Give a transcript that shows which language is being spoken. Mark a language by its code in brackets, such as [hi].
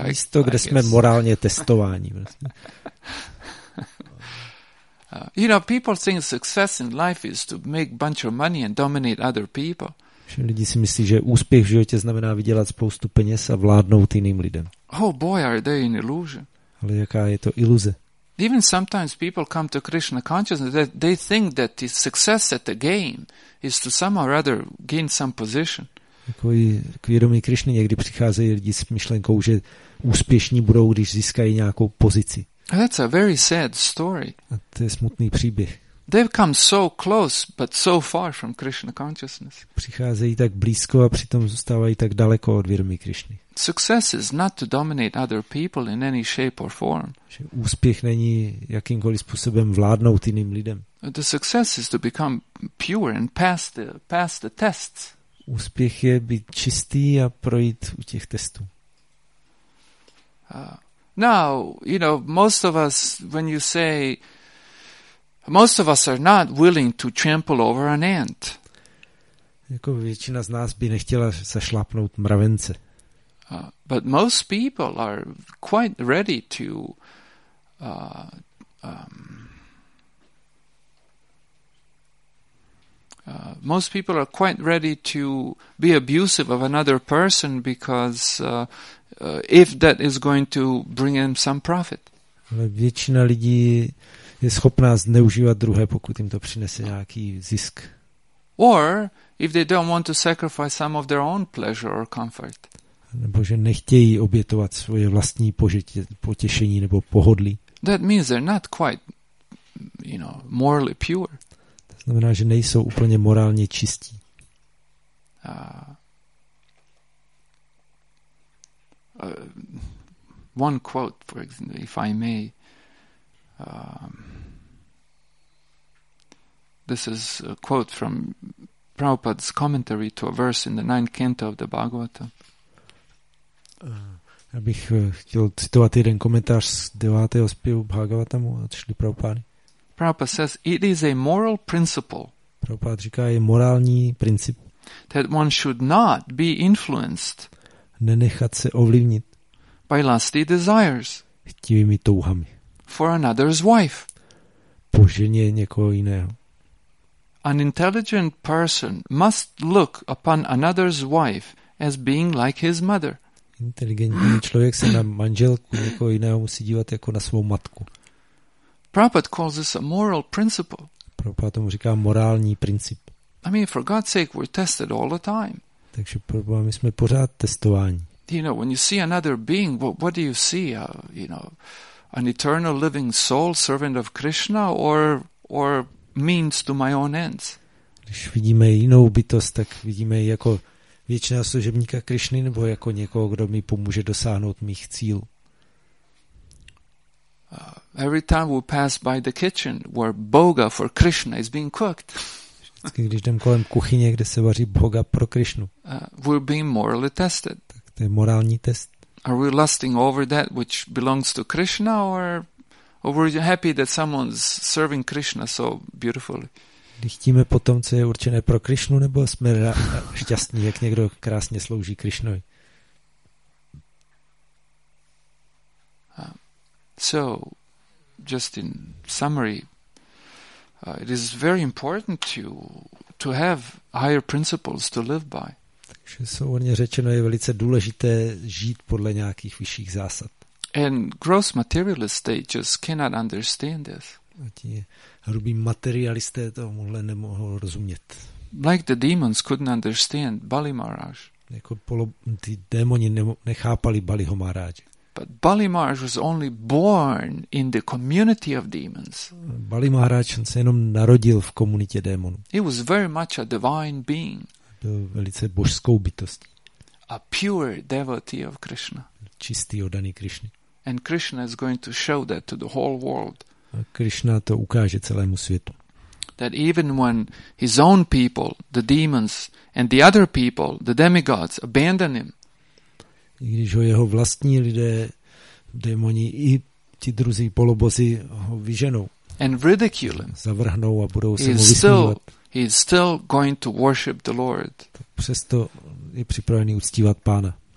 [cs] Místo, kde jsme morálně testováni. [en] You know, people think success in life is to make a bunch of money and dominate other people. [cs] Že lidi si myslí, že úspěch v životě znamená vydělat spoustu peněz a vládnout jiným lidem. [en] Oh boy, are they in illusion. [cs] Ale jaká je to iluze? [en] Even sometimes people come to Krishna consciousness that they think that the success at the game is to somehow rather gain some position. [cs] K vědomí Krišny někdy přicházejí lidi s myšlenkou, že úspěšní budou, když získají nějakou pozici. [en] That's a very sad story. [cs] A to je smutný příběh. [en] They've come so close, but so far from Krishna consciousness. [cs] Přicházejí tak blízko a přitom zůstávají tak daleko od vědomí Krišny. [en] Success is not to dominate other people in any shape or form. [cs] Že úspěch není jakýmkoliv způsobem vládnout jiným lidem. [en] The success is to become pure and pass the tests. [cs] Úspěch je být čistý a projít u těch testů. [en] Now, you know, most of us, when you say, most of us are not willing to trample over an ant. [cs] Jako většina z nás by nechtěla zašlápnout mravence. [en] But most people are quite ready to most people are quite ready to be abusive of another person because if that is going to bring them some profit. [cs] Ale většina lidí je schopná zneužívat druhé, pokud jim to přinese nějaký zisk. [en] Or if they don't want to sacrifice some of their own pleasure or comfort. [cs] Nebo že nechtějí obětovat svoje vlastní potěšení nebo pohodlí. [en] That means they're not quite, you know, morally pure. [cs] Znamená, že nejsou úplně morálně čistí. [en] One quote, for example, if I may. This is a quote from Prabhupada's commentary to a verse in the ninth canto of the Bhagavata. [cs] Já bych chtěl citovat jeden komentář z devátého zpěvu Bhagavatamu od Šrily Prabhupády. [en] Prabhupada says it is a moral principle. [cs] Prabhupada říká, je morální princip. [en] That one should not be influenced. [cs] Nenechat se ovlivnit. [en] By lusty desires. [cs] Chtivými touhami. [en] For another's wife. [cs] Po ženě někoho jiného. [en] An intelligent person must look upon another's wife as being like his mother. [cs] Inteligentní člověk se na manželku někoho jiného musí dívat jako na svou matku. [en] Prabhupada calls this a moral principle. [cs] Prabhupada tomu říká morální princip. [en] I mean, for God's sake, we're tested all the time. [cs] Takže Prabhupada, my jsme pořád testování. [en] You know, when you see another being, what do you see? You know, an eternal living soul, servant of Krishna, or means to my own ends? [cs] Když vidíme jinou bytost, tak vidíme ji jako věčného služebníka Krišny nebo jako někoho, kdo mi pomůže dosáhnout mých cílů. [en] Every time we pass by the kitchen where bhoga for Krishna is being cooked. [cs] Vždycky, když jdem kolem kuchyně, kde se vaří bhoga pro Krishnu. [en] We're being morally tested. [cs] Tak to je morální test. [en] Are we lusting over that which belongs to Krishna or were you happy that someone's serving Krishna so beautifully? [cs] Když chtíme po tom, co je určené pro Krishnu, nebo jsme šťastní, jak někdo krásně slouží Krishnovi. [en] So, just in summary, it is very important to have higher principles to live by. [cs] Takže souhrně řečeno, je velice důležité žít podle nějakých vyšších zásad. [en] And gross materialists, they just cannot understand this. [cs] A ti hrubí materialisté tomuhle nemohou rozumět. [en] Like the demons couldn't understand Bali Maharaj. [cs] Jako ty démoni nechápali Baliho Maharaj. [en] But Bali Maharaj was only born in the community of demons. [cs] Bali Maharaj se jenom narodil v komunitě démonů. [en] He was very much a divine being. [cs] Byl velice božskou bytostí. [en] A pure devotee of Krishna. [cs] Čistý oddaný Krišny. [en] And Krishna is going to show that to the whole world. [cs] A Krishna to ukáže celému světu. [en] That even when his own people, the demons, and the other people, the demigods, abandon him. [cs] I když ho jeho vlastní lidé, démoni i ti druzí polobozy ho vyženou. [en] And ridicule him. [cs] Zavrhnou a budou se mu vysmívat. [en] He is still going to worship the Lord. [cs] Přesto je připravený uctívat Pána.